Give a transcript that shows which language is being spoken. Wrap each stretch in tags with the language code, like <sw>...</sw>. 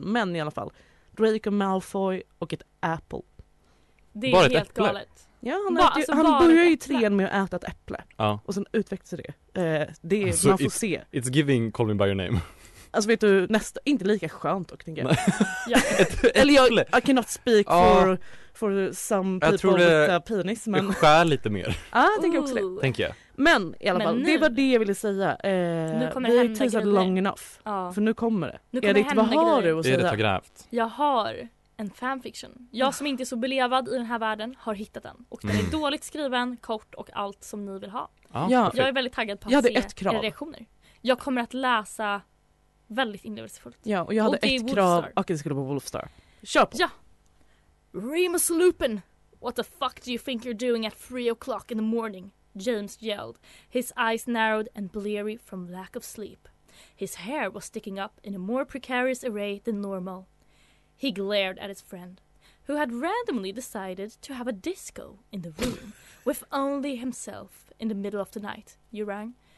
<sv>Men i alla fall, Draco Malfoy och ett apple. Det är bara helt galet. Ja, han han börjar ju trean med att äta ett äpple. Ja. Och sen utvecklas det. Det alltså, man får se.</sv> <en>It's giving Call Me By Your Name.</en> <sv>Alltså vet du, nästa, inte lika skönt och tänker jag. Eller jag,</sv> <en>I cannot speak for some people.</en> <sv>Jag tror det</sv> <en>with penis, men...</en> <sv>skär lite mer. Ja, jag tänker också det. Tänker jag. Men i alla fall, det var det jag ville säga. Nu kommer vi har</sv> <en>long enough.</en> <sv>Ja. För nu kommer det. Nu kommer Edith, vad har grejer. Du att säga? Edith har grävt. Jag har en fanfiction. Jag som inte är så belevad i den här världen har hittat den. Och den är dåligt skriven, kort och allt som ni vill ha. Ja, jag är väldigt taggad på att se era reaktioner. Jag kommer att läsa väldigt inlevelsefullt. Ja, och jag hade ett krav. Okej, det skulle vara Wolfstar. Kör på. Ja.</sv> <en>Remus Lupin, what the fuck do you think you're doing at 3 o'clock in the morning? James yelled, his eyes narrowed and bleary from lack of sleep. His hair was sticking up in a more precarious array than normal. He glared at his friend, who had randomly decided to have a disco in the room with only himself in the middle of the night. You rang?</en>